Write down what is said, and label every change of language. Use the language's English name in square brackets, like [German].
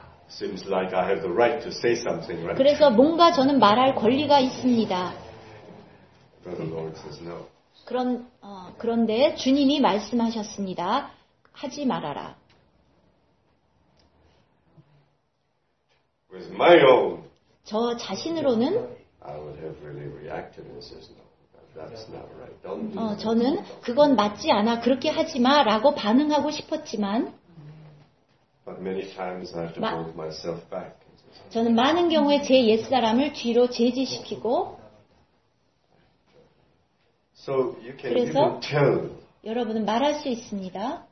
[English] Seems like I have the right to say something, right? [Korean] 그래서 뭔가 저는 말할 권리가 있습니다. [English] But the Lord says no. [Korean] 그런데 주님이 말씀하셨습니다. 하지 말아라. [English] With my own, [Korean] 저 자신으로는 [English] I would have really reacted and says no, that's not right. Don't do [Korean] 저는 그건 맞지 않아 그렇게 하지 마라고 반응하고 싶었지만 [English] But many times I have to hold myself back. [Korean] 저는 많은 경우에 제 옛사람을 뒤로 제지시키고 [English] so you can 그래서 even tell [Korean] 여러분은 말할 수 있습니다.